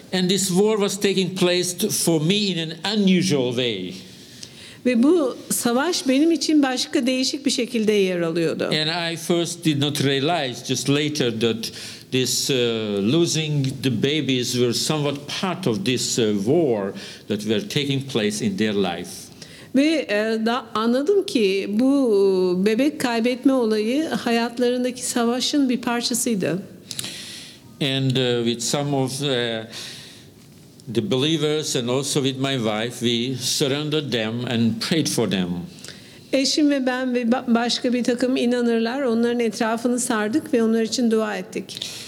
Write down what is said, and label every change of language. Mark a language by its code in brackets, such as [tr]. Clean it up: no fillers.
[en] And this war was taking place for me in an unusual way. [tr] Ve bu savaş benim için başka değişik bir şekilde yer alıyordu. [en] And I first did not realize just later that this losing the babies were somewhat part of this war that were taking place in their life. [tr] Ve daha anladım ki bu bebek kaybetme olayı hayatlarındaki savaşın bir parçasıydı. [en] And with some of the believers and also with my wife, we surrendered them and prayed for them. [tr] Eşim ve ben ve başka bir takım inanırlar, onların etrafını sardık ve onlar için dua ettik.